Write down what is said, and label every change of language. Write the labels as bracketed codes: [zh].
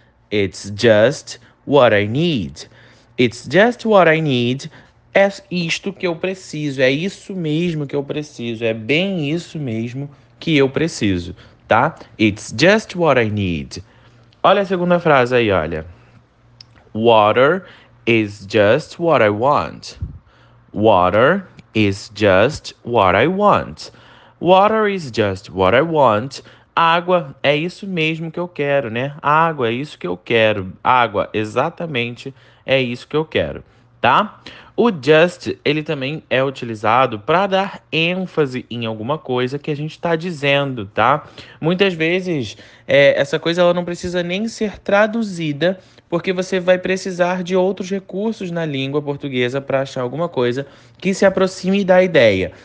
[en] It's just what I need. It's just what I need. [pt] É isto que eu preciso. É isso mesmo que eu preciso. É bem isso mesmo que eu preciso, tá? [en] It's just what I need. [pt] Olha a segunda frase aí, olha. [en] Water is just what I want. Water is just what I want. Water is just what I want. [pt] Água é isso mesmo que eu quero, né? Água é isso que eu quero. Água, exatamente, é isso que eu quero, tá? O just, ele também é utilizado para dar ênfase em alguma coisa que a gente está dizendo, tá? Muitas vezes, essa coisa ela não precisa nem ser traduzida, porque você vai precisar de outros recursos na língua portuguesa para achar alguma coisa que se aproxime da ideia.